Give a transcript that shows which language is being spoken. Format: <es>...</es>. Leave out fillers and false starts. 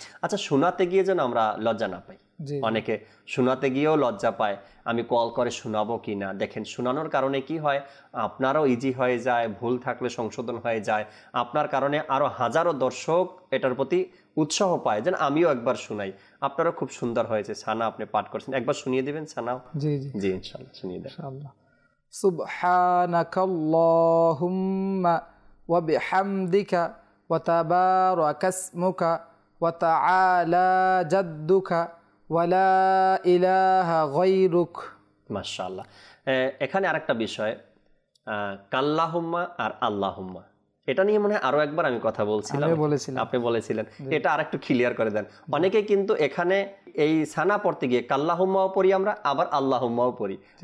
<bn>আচ্ছা, শোনাতে গিয়ে যেন আমরা লজ্জা না পাই। অনেকে শোনাতে গিয়েও লজ্জা পায়, আমি কল করে শোনাবো কি না। দেখেন, শোনানোর কারণে কি হয়, আপনারও ইজি হয়ে যায়, ভুল থাকলে সংশোধন হয়ে যায়, আপনার কারণে আরও হাজারো দর্শক এটার প্রতি উৎসাহ পায় যেন আমিও একবার শুনাই। আপনারও খুব সুন্দর হয়েছে, সানা আপনি পাঠ করছেন, একবার শুনিয়ে দেবেন সানাও। জি জি, ইনশাল্লাহ শুনিয়ে দেবেন।</bn> <ar>সুবহানাক আল্লাহুম্মা وبحمدك وتبارك اسمك وتعالى جدك ولا اله غيرك ما شاء الله।</ar> <bn>এখানে আরেকটা বিষয়, কাল্লাহুম্মা আর আল্লাহুম্মা, এটা নিয়ে মনে হয় আরো একবার আমি কথা বলছিলাম, আপনি বলেছিলেন, এটা আর একটু ক্লিয়ার করে দেন। অনেকে কিন্তু এখানে এই সানা পড়তে গিয়ে কাল্লাহুম্মাও পড়ি আমরা, আবার আল্লাহুম্মাও পড়ি,</bn>